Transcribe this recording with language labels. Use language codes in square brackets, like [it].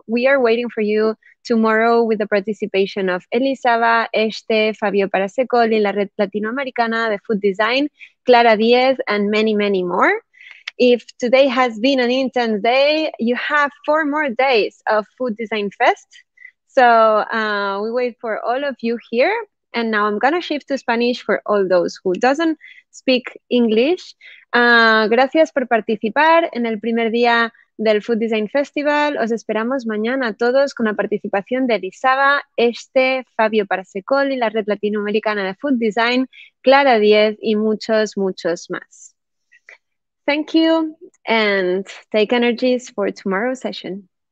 [en] We are waiting for you tomorrow with the participation of Elisava, Este, Fabio Parasecoli, La Red Latinoamericana, The Food Design, Clara Diez, and many, many more. If today has been an intense day, you have 4 more days of Food Design Fest. So we wait for all of you here. And now I'm gonna shift to Spanish for all those who doesn't speak English. [es] Gracias por participar en el primer día del Food Design Festival. Os esperamos mañana a todos con la participación de Elisava, Este, Fabio Parasecoli, la Red Latinoamericana de Food Design, Clara Diez y muchos, muchos más. [en] Thank you and take energies for tomorrow's session.